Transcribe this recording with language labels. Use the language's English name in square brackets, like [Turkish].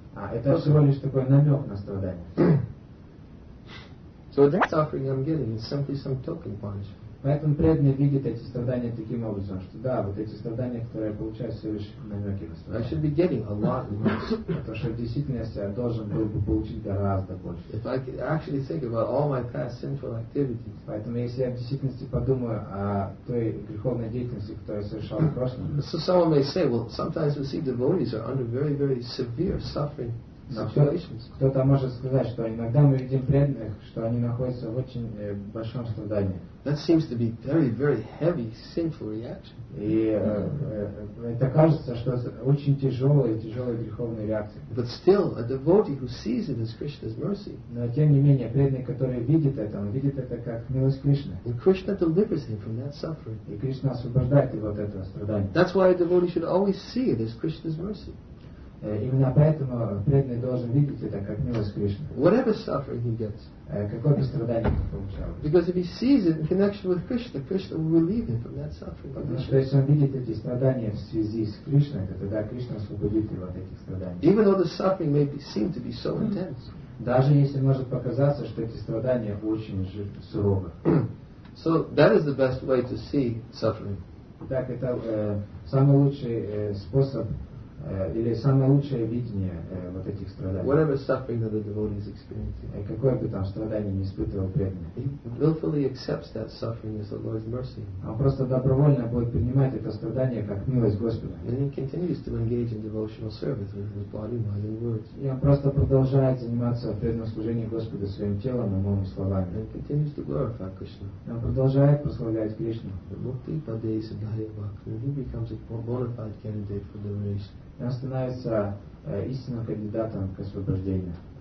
[Russian] Это всего лишь такой намек на страдание. [English] So that suffering I'm getting is simply some token punishment. [Russian] Поэтому преданный видит эти страдания таким образом, что да, вот эти страдания, которые я получаю, все лишь намеки на страдания. [English] I should be getting a lot worse. [Russian] Потому что в действительности я должен был бы получить гораздо больше. [English] If I could actually think about all my past sinful activities. [Russian] Поэтому если я в действительности подумаю о той греховной деятельности, которую я совершал в прошлом. [English] So someone may say, well, sometimes we see devotees are under very, very severe suffering. [Russian] Кто-то может сказать, что иногда мы видим преданных, что они находятся в очень большом страдании. [English] That seems to be very, very heavy sinful reaction. [Russian] И это кажется, что очень тяжелая греховная реакция. [English] But still, a devotee who sees it as Krishna's mercy. [Russian] Но тем не менее, преданный, который видит это, он видит это как милость Кришны. [English] And Krishna delivers him from that suffering. [Russian] И Кришна освобождает его от этого страдания. [English] That's why a devotee should always see it as Krishna's mercy. [Russian] Именно поэтому преданный должен видеть это как милость Кришны. [English] Whatever suffering he gets. [Russian] Какое бы страдание он получал. [English] Because if he sees it in connection with Krishna, Krishna will relieve him from that suffering. [Russian] Потому что если он видит эти страдания в связи с Кришной, то тогда Кришна освободит его от этих страданий. [English] Even though the suffering may seem to be so intense. [Russian] Даже если может показаться, что эти страдания очень суровы. [English] So that is the best way to see suffering. [Russian] Так это самый лучший способ или самое лучшее видение вот этих страданий. [English] Whatever suffering that the devotee is experiencing. [Russian] Какое бы там страдание не испытывал преданный. [English] He willfully accepts that suffering as the Lord's mercy. [Russian] Он просто добровольно будет принимать это страдание как милость Господа. [English] And he continues to engage in devotional service with his body, mind, and words. [Russian] И он просто продолжает заниматься преданным служением Господу своим телом, умом и словами. [English] And continues to glorify Krishna. [Russian] И он продолжает прославлять Кришну. [Bangla] Bhakti padai sadhaya bhakti. [English] He becomes a bona fide candidate for liberation. [Russian] И он становится истинным кандидатом к освобождению.